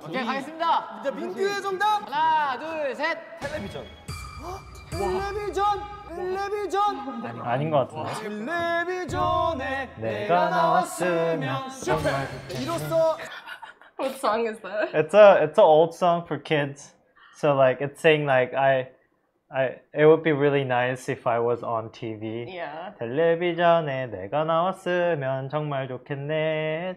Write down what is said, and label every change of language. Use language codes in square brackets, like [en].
[ko] 오케이, 가겠습니다. 이제 민규의 정답! 하나, 둘, 셋! 텔레비전. 텔레비전! 텔레비전! 아닌 것 같은데. 텔레비전에 내가 나왔으면 정말 이로써 [en] What song is that? It's an old song for kids. So like it's saying like I it would be really nice if I was on TV. Yeah. [ko] 텔레비전에 내가 나왔으면 정말 좋겠네.